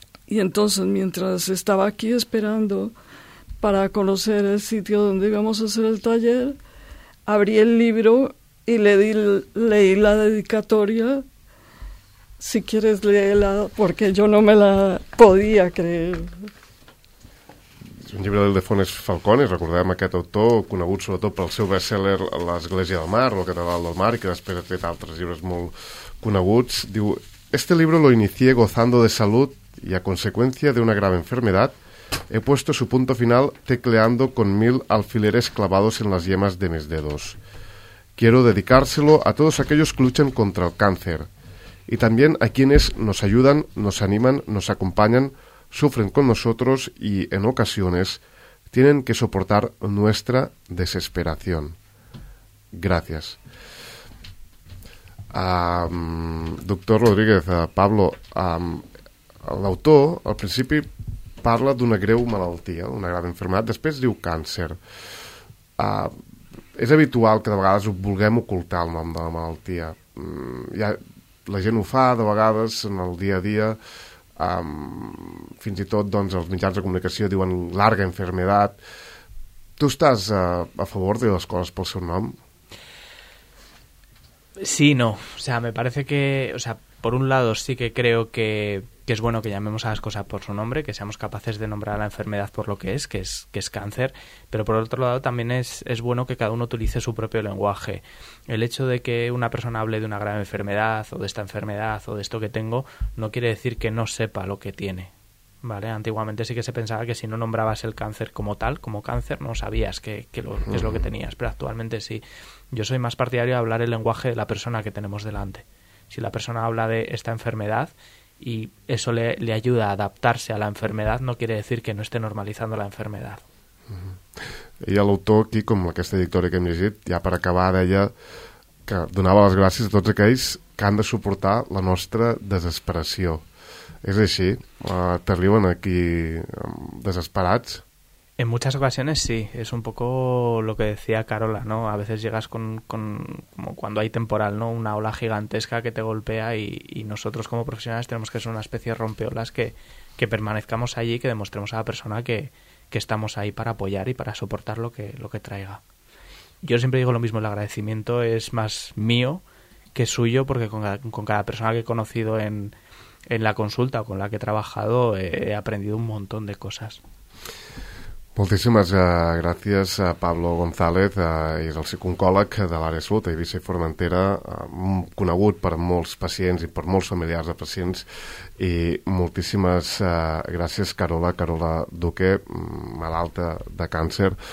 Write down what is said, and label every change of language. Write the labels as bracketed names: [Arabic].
[Spanish] Y entonces, mientras estaba aquí esperando para conocer el sitio donde íbamos a hacer el taller, abrí el libro y leí la dedicatoria. Si quieres, léela, porque yo no me la podía creer. [Catalan] Un llibre d'Ildefons Falcones, recordem aquest autor, conegut sobretot pel seu best-seller L'Església del Mar, o La Catedral del Mar, que després ha fet altres llibres molt coneguts. [Spanish] Diu, este libro lo inicié gozando de salud y a consecuencia de una grave enfermedad he puesto su punto final tecleando con 1000 alfileres clavados en las yemas de mis dedos. Quiero dedicárselo a todos aquellos que luchan contra el cáncer y también a quienes nos ayudan, nos animan, nos acompañan, sufren con nosotros y, en ocasiones, tienen que soportar nuestra desesperación. Gracias. [Catalan] Doctor Rodríguez, Pablo, l'autor, al principi, parla d'una greu malaltia, [Spanish] una grave enfermedad, [Catalan] després diu càncer. És habitual que de vegades vulguem ocultar el nom de la malaltia. La gent ho fa, de vegades, en el dia a dia... fins i tot doncs, els mitjans de comunicació diuen [Spanish] larga enfermedad. [Catalan] Tu estàs a favor de les coses pel seu nom? Sí, no. [Spanish] O sea, me parece que, o sea, por un lado sí que creo que es bueno que llamemos a las cosas por su nombre, que seamos capaces de nombrar a la enfermedad por lo que es cáncer, pero por otro lado también es bueno que cada uno utilice su propio lenguaje. El hecho de que una persona hable de una grave enfermedad o de esta enfermedad o de esto que tengo no quiere decir que no sepa lo que tiene, ¿vale? Antiguamente sí que se pensaba que si no nombrabas el cáncer como tal, como cáncer, no sabías qué es lo que tenías, pero actualmente sí. Yo soy más partidario de hablar el lenguaje de la persona que tenemos delante. Si la persona habla de esta enfermedad y eso le ayuda a adaptarse a la enfermedad, no quiere decir que no esté normalizando la enfermedad. Uh-huh. [Catalan] I l'autor aquí, com aquesta editoria que hem llegit, ja per acabar deia que donava les gràcies a tots aquells que han de suportar la nostra desesperació. És així? T'arriben aquí desesperats? [Spanish] En muchas ocasiones sí, es un poco lo que decía Carola, ¿no? A veces llegas con como cuando hay temporal, ¿no? Una ola gigantesca que te golpea y nosotros como profesionales tenemos que ser una especie de rompeolas que permanezcamos allí, que demostremos a la persona que estamos ahí para apoyar y para soportar lo que traiga. Yo siempre digo lo mismo, el agradecimiento es más mío que suyo, porque con cada persona que he conocido en la consulta o con la que he trabajado he aprendido un montón de cosas. [Catalan] Moltíssimes gràcies a Pablo González, és el psicòleg de l'àrea de salut a Eivissa i Formentera, conegut per molts pacients i per molts familiars de pacients, i moltíssimes gràcies, Carola Duque, malalta de càncer.